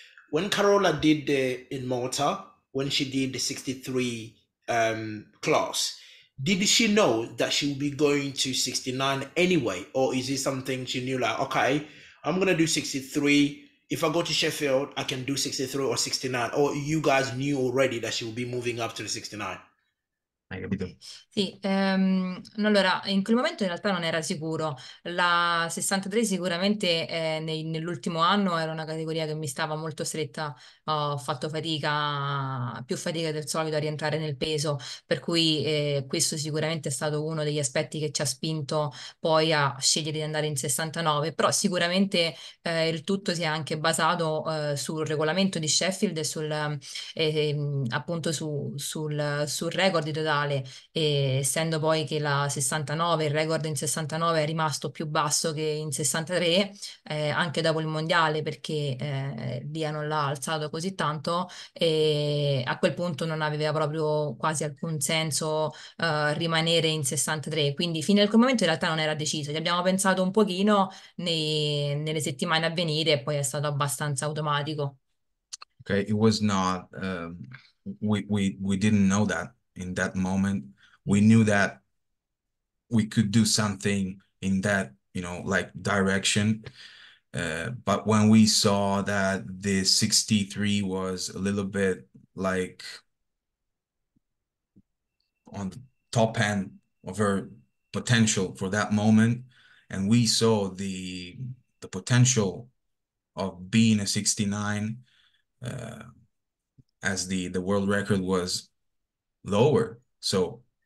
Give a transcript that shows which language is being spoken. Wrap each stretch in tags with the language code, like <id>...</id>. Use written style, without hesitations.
<en>When Carola did the in Malta, when she did the 63 class, did she know that she would be going to 69 anyway? Or is it something she knew like, okay, I'm going to do 63. If I go to Sheffield, I can do 63 or 69. Or you guys knew already that she would be moving up to the 69?</en> <it>Sì, allora in quel momento in realtà non era sicuro. La 63 sicuramente nell'ultimo anno era una categoria che mi stava molto stretta, ho fatto fatica, più fatica del solito a rientrare nel peso, per cui questo sicuramente è stato uno degli aspetti che ci ha spinto poi a scegliere di andare in 69, però sicuramente il tutto si è anche basato sul regolamento di Sheffield e sul appunto sul record di totale. E essendo poi che la 69, il record in 69 è rimasto più basso che in 63 anche dopo il mondiale, perché Dia non l'ha alzato così tanto, e a quel punto non aveva proprio quasi alcun senso rimanere in 63, quindi fino a quel momento in realtà non era deciso, ci abbiamo pensato un pochino nelle settimane a venire e poi è stato abbastanza automatico.</it> <en>Okay, it was not we didn't know that. In that moment, we knew that we could do something in that, you know, like direction. But when we saw that the 63 was a little bit like on the top end of her potential for that moment, and we saw the potential of being a 69 as the world record was lower, so</en>